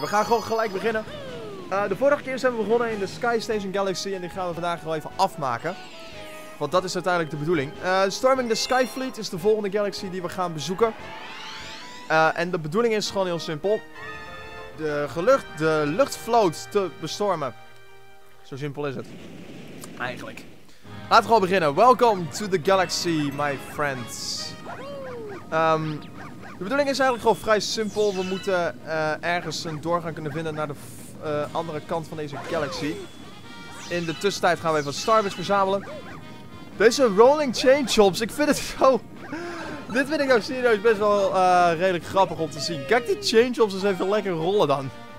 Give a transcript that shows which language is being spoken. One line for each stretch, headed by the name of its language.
Dutch: We gaan gewoon gelijk beginnen. De vorige keer zijn we begonnen in de Sky Station Galaxy en die gaan we vandaag wel even afmaken. Want dat is uiteindelijk de bedoeling. Storming the Sky Fleet is de volgende galaxy die we gaan bezoeken. En de bedoeling is gewoon heel simpel. De luchtvloot te bestormen. Zo simpel is het. Eigenlijk. Laten we gewoon beginnen.
English: Welcome to the galaxy, my friends.
Dutch: De bedoeling is eigenlijk gewoon vrij simpel. We moeten ergens een doorgang kunnen vinden naar de andere kant van deze galaxy. In de tussentijd gaan we even Starbits verzamelen. Deze rolling chain chops, ik vind het zo... Dit vind ik nou serieus best wel redelijk grappig om te zien. Kijk die chain chops eens even lekker rollen dan.